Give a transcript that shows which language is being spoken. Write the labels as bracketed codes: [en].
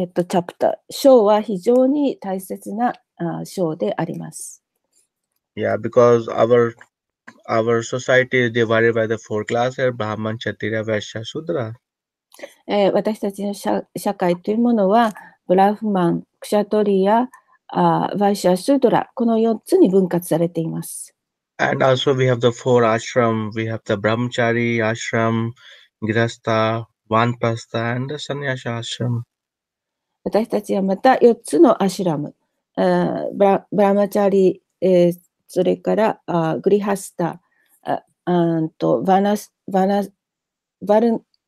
[ja] チャプター、章は非常に大切な章であります。 [en] Yeah, because our society is divided by the four classes: Brahman, Kshatriya, Vaishya, Shudra. [ja] 私たちの社会というものは、ブラフマン、クシャトリア、ワイシャ、シュドラ、この4つに分割されています。 [en] And also we have the four ashram. We have the Brahmachari ashram, Grihastha, Vanprastha, and the Sannyasa ashram. [ja] 私たちはまた4つのアシュラム、ブラマチャリ、それからグリハスタ、バルン、